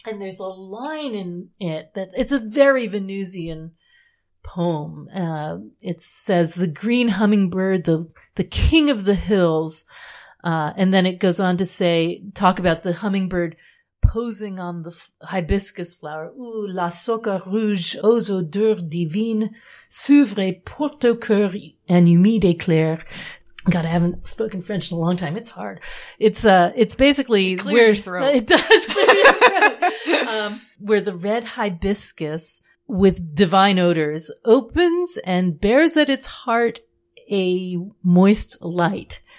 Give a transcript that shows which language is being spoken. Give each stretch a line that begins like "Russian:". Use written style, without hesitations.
English: And there's a line in it it's a very Venusian poem. It says, the green hummingbird, the king of the hills. And then it goes on to say, talk about the hummingbird posing on the hibiscus flower.
French: Ooh, la soca rouge aux odeurs divines s'ouvre pour ton cœur en humide éclair.
English: God, I haven't spoken French in a long time. It's hard. It's basically clear your throat. It does clear your throat. Where the red hibiscus with divine odors opens and bears at its heart a moist light.